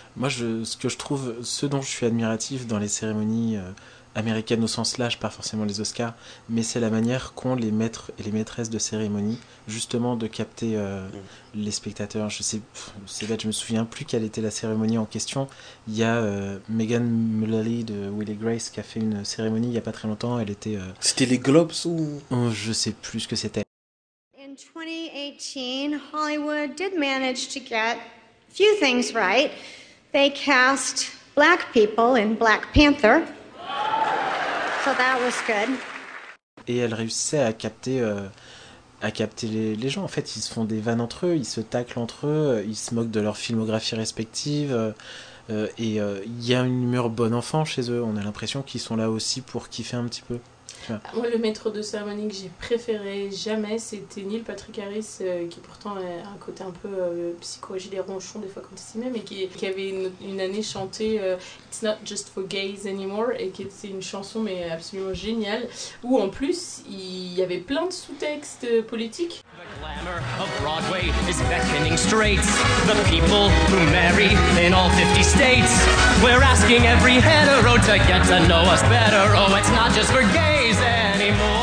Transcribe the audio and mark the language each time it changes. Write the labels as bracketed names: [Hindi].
[French] Moi, ce dont je suis admiratif dans les cérémonies américaines au sens large, pas forcément les Oscars, mais c'est la manière qu'ont les maîtres et les maîtresses de cérémonie, justement, de capter les spectateurs. Je sais, c'est bête, je me souviens plus quelle était la cérémonie en question. Il y a Megan Mullally de Will & Grace qui a fait une cérémonie il y a pas très longtemps. Elle était. C'était les Globes ou... Je sais plus ce que c'était. [English] In 2018, Hollywood did manage to get a few things right. They cast black people in Black Panther. So that was good. [French] Et elle réussissait à capter les gens. En fait, ils se font des vannes entre eux, ils se taclent entre eux, ils se moquent de leur filmographie respective. Il y a une humeur bon enfant chez eux. On a l'impression qu'ils sont là aussi pour kiffer un petit peu. Ouais. Moi, le maître de cérémonie que j'ai préféré jamais, c'était Neil Patrick Harris, qui pourtant a un côté un peu psychogile et ronchon des fois quand il s'y met, mais qui avait une année chanté It's Not Just for Gays Anymore, et qui c'est une chanson mais absolument géniale, où en plus il y avait plein de sous-textes politiques. [English] The glamour of Broadway is beckoning straights. The people who marry in all 50 states. We're asking every hetero to get to know us better. Oh, it's not just for gays anymore.